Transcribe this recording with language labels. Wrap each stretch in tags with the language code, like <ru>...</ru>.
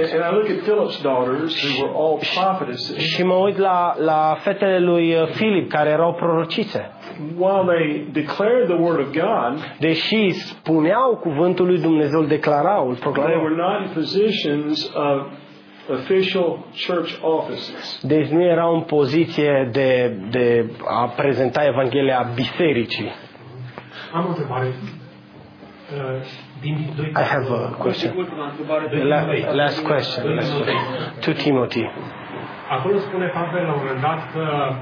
<en>And I look at Philip's daughters who were all prophetesses.</en> <ro>Și mă uit la fetele lui Filip care erau prorocițe.</ro> <en>While they declared the word of God,</en> <ro>deși spuneau cuvântul lui Dumnezeu, declarau, îl proclamau.</ro> <en>They were not in positions of official church offices.</en> <ro>Deci nu erau în poziție de a prezenta Evanghelia bisericii. Am o întrebare.</ro> <en>I have a question. Last question. To Timothy.</en> <ro>Acolo spune Pavel la un moment dat că</ro>